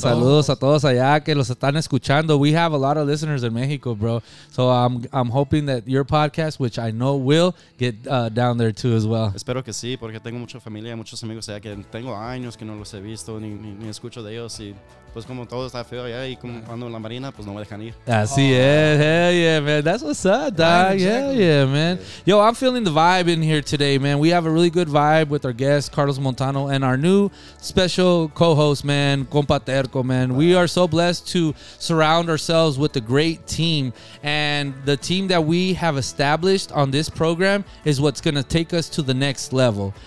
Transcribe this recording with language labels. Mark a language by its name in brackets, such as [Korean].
[Spanish] Saludos a todos allá que los están escuchando. [English] We have a lot of listeners in Mexico, bro. So I'm hoping that your podcast, which I know will, get down there too as well. [Spanish] Espero que sí, porque tengo mucha familia, muchos amigos allá que tengo años que no los he visto ni escucho de ellos. Y pues como todo está feo allá y como cuando la marina, pues no me dejan ir. Así es. [English] Hell yeah, man. That's what's up, dog. Hell yeah, man. Yo, I'm feeling the vibe in here today, man. We have a really good vibe with our guest, Carlos Montano, and our new special co-host, man, Compa Terco, man. We are so blessed to surround ourselves with a great team. And the team that we have established on this program is what's going to take us to the next level.